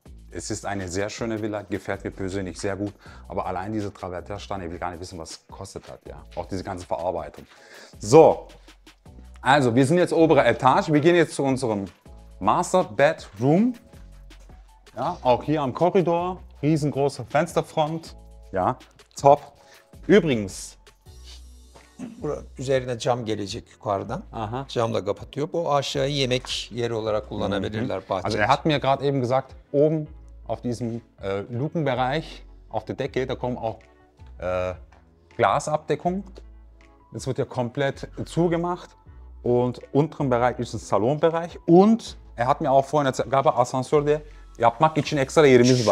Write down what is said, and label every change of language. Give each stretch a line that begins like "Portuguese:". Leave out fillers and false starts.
German: Es ist eine sehr schöne Villa, gefällt mir persönlich sehr gut. Aber allein diese Travertia-Steine, ich will gar nicht wissen, was es kostet hat. Ja. Auch diese ganze Verarbeitung. So, also wir sind jetzt obere Etage. Wir gehen jetzt zu unserem Master Bedroom. Ja, auch hier am Korridor, riesengroße Fensterfront. Ja, top. Übrigens.
Turkish: Burada üzerine cam gelecek yukarıdan. Aha. Cam da kapatıyor. Bu aşağı yemek yeri olarak kullanabilirler bahçede.
German: Also hat mir gerade eben gesagt, oben auf diesem Lukenbereich auf der Decke, da kommen auch Glasabdeckung. Das wird ja komplett zugemacht und unteren Bereich ist ein Salonbereich und hat mir auch vorhin erzählt, gab es
Turkish: Asansörde yapmak için ekstra yerimiz var.